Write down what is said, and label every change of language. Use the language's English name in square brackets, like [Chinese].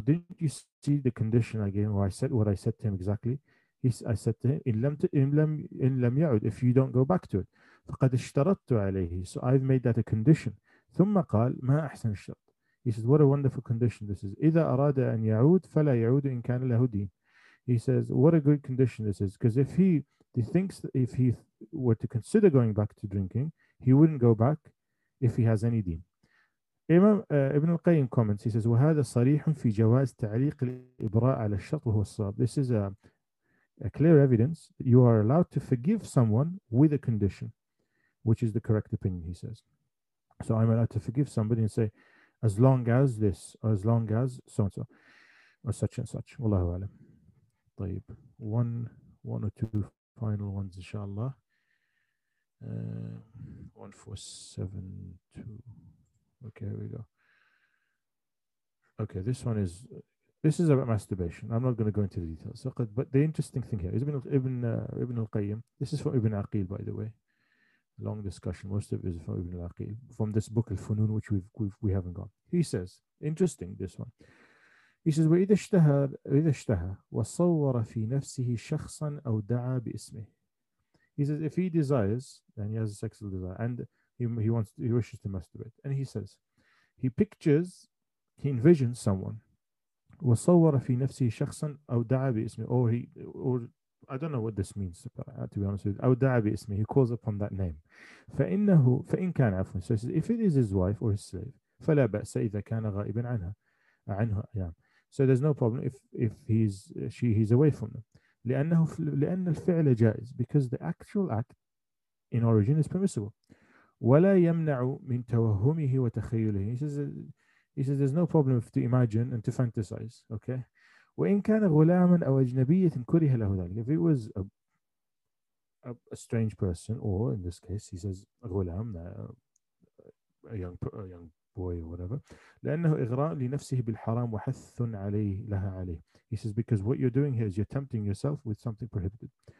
[English] Didn't you see the condition again? What I said to him exactly. I said to him, [Arabic] إن لم يعود. [English] If you don't go back to it. [Arabic] فقد اشترطت عليه. [English] So I've made that a condition. [Arabic] ثم قال ما أحسن الشرط. [English] He says, what a wonderful condition this is. [Arabic] إذا أراد أن يعود فلا يعود إن كان له دين. [English] He says, what a good condition this is. Because if he thinks that if he were to consider going back to drinking, he wouldn't go back if he has any deen. Imam Ibn al-Qayyim comments, he says, [Arabic] وَهَذَا صَرِيحٌ فِي جَوَازِ تَعْلِيقِ الْإِبْرَاءَ عَلَى الشَّطْ وَهُوَ الصَّابِ. [English] This is a clear evidence that you are allowed to forgive someone with a condition, which is the correct opinion, he says. So I'm allowed to forgive somebody and say, as long as this, or as long as so-and-so, or such and such. Wallahu alam. طيب. One or two final ones, inshallah. 1472. Okay, here we go. Okay, this is about masturbation. I'm not going to go into the details. So, but the interesting thing here is Ibn al-Qayyim. This is from Ibn al-Aqil, by the way. Long discussion. Most of it is from Ibn al-Aqil. From this book, Al-Funun, which we haven't got. He says, interesting, this one. He says, [Arabic] وَإِذَا اشْتَهَى وَصَوَّرَ فِي نَفْسِهِ شَخْصًا أَوْ دَعَى بِإِسْمِهِ. [English] He says, if he desires, and he has a sexual desire, and he wishes to masturbate. And he says, he pictures, he envisions someone. [Arabic] وَصَوَّرَ فِي نَفْسِهِ شَخْصًا أَوْ دَعَى بِإِسْمِهِ. [English] Or, I don't know what this means, to be honest with you. [Arabic] أَوْ دَعَى بِإِسْمِهِ. [English] He calls upon that name. [Arabic] فَإِنَّهُ فَإِنْ كَانَ عَفْوًا. [English] So he says, if it is his wife or his slave, [Arabic] فَلَا بَأْسَ إِذَا كَانَ غَائِبًا عَنْهَا. [English] So there's no problem if he's away from them. [Arabic] لأن الفعل جائز, [English] because the actual act in origin is permissible. [Arabic] ولا يمنع من توهمه وتخيله. [English] He says there's no problem to imagine and to fantasize. Okay. [Arabic] وإن كان غلاما أو أجنبية كره له ذلك. [English] If it was a strange person, or in this case, he says غلام, a young boy or whatever, [Arabic] لأنه إغراء لنفسه بالحرام وحث عليه لها عليه. [English] He says, because what you're doing here is you're tempting yourself with something prohibited.